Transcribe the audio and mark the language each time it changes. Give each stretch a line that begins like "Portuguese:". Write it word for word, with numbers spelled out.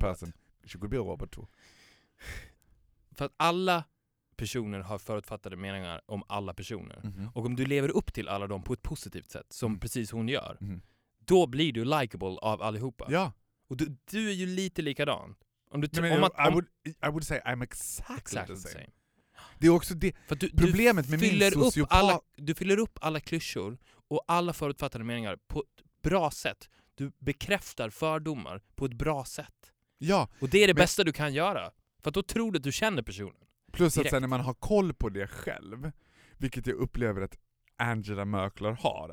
English: Person. She could be a robot too.
Swedish: För att alla personer har förutfattade meningar om alla personer. Mm-hmm. Och om du lever upp till alla dem på ett positivt sätt, som mm. precis hon gör, mm. då blir du likable av allihopa. Ja. Och du, du är ju lite likadan. Om du
English: t-
Swedish: Nej, men, om man, om...
English: I, would, I would say I'm exactly, exactly the same. same.
Swedish: Det är också det. För du, problemet du med min sociopat... Alla, du fyller upp alla klyschor och alla förutfattade meningar på ett bra sätt. Du bekräftar fördomar på ett bra sätt. Ja. Och det är det men... bästa du kan göra. För att då tror du att du känner personen. Plus direkt. Att sen när man har koll på det själv, vilket jag upplever att Angela Merkel har.